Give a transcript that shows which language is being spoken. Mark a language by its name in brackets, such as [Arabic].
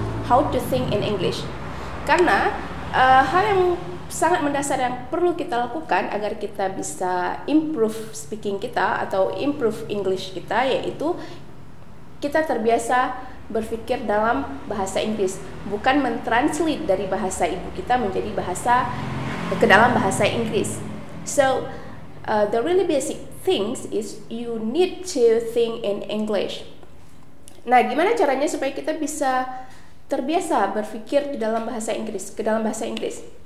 [English] How to think in English. [Indonesian] Karena hal yang sangat mendasar yang perlu kita lakukan agar kita bisa [English] improve speaking [Indonesian] kita atau [English] improve English [Indonesian] kita, yaitu kita terbiasa berpikir dalam bahasa Inggris, bukan mentranslate dari bahasa ibu kita menjadi bahasa ke dalam bahasa Inggris. [English] So the really basic things is you need to think in English. [Indonesian] Nah, gimana caranya supaya kita bisa terbiasa berpikir di dalam bahasa Inggris, ke dalam bahasa Inggris?